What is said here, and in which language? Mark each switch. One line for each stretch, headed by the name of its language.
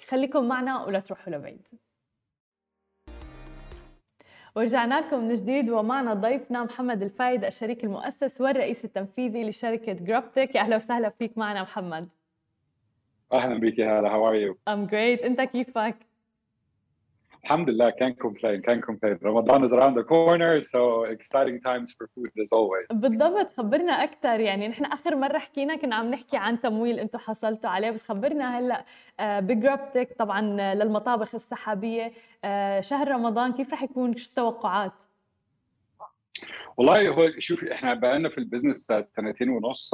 Arabic: خليكم معنا ولا تروحوا لبعيد. ورجعنا لكم من جديد ومعنا ضيفنا محمد الفايد الشريك المؤسس والرئيس التنفيذي لشركة جروبتك. أهلا وسهلا فيك معنا محمد. أهلا بك يا هلا،
English: how are you? I'm great.
Arabic: أنت كيفك؟ الحمد لله.
English: Can't complain. Ramadan is around the corner, so exciting times for food as always.
Arabic: بالضبط، خبرنا أكثر. يعني نحن آخر مرة حكينا كنا عم نحكي عن تمويل أنتوا حصلتوا عليه، بس خبرنا هلأ بجروبتك طبعا للمطابخ السحابية شهر رمضان، كيف رح يكون؟ شو التوقعات؟ والله هو شوفي، إحنا بقالنا في البزنس سنتين ونص.